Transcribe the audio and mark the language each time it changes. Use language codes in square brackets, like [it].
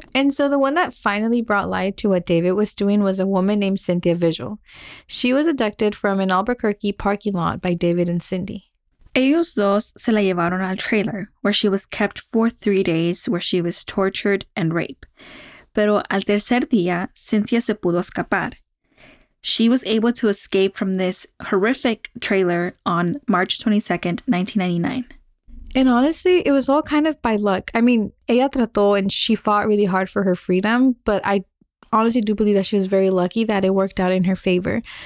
[en] And so the one that finally brought light to what David was doing was a woman named Cynthia Vigil. She was abducted from an Albuquerque parking lot by David and Cindy. [es] Ellos dos se la llevaron al trailer, [en] where she was kept for 3 days, where she was tortured and raped. [es] Pero al tercer día, Cynthia se pudo escapar. [en] She was able to escape from this horrific trailer on March 22nd, 1999. And honestly, it was all kind of by luck. I mean, [es] ella trató [en] and she fought really hard for her freedom, but I honestly do believe that she was very lucky that it worked out in her favor.